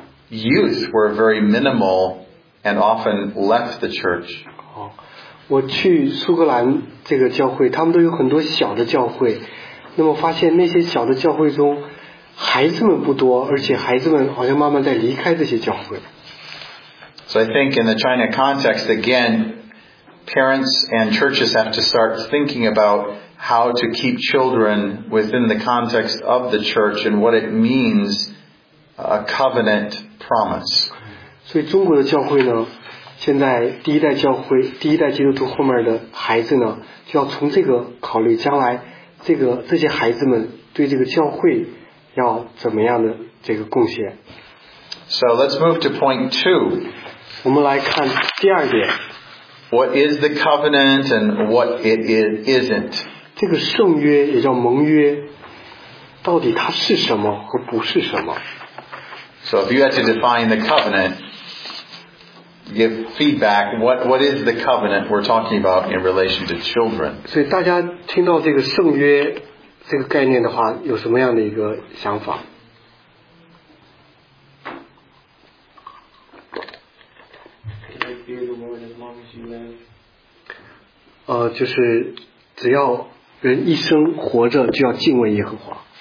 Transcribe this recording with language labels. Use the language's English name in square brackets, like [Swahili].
[English] youth were very minimal and often left the church. [Chinese] 我去苏格兰这个教会，他们都有很多小的教会。那么发现那些小的教会中，孩子们不多，而且孩子们好像慢慢在离开这些教会。 [English] So I think in the China context, again, parents and churches have to start thinking about how to keep children within the context of the church and what it means, a covenant promise. [Chinese] 所以中国的教会呢？现在第一代教会第一代基督徒后面的孩子呢就要从这个考虑将来这个这些孩子们对这个教会要怎么样的这个贡献 [English] So let's move to point two [Chinese] 我们来看第二点 [English] What is the covenant and what it isn't [Chinese] 这个圣约也叫盟约到底它是什么和不是什么 [English] So if you had to define the covenant give feedback what is the covenant we're talking about in relation to children [Chinese] 所以大家听到这个圣约这个概念的话有什么样的一个想法 就是只要人一生活着就要敬畏耶和华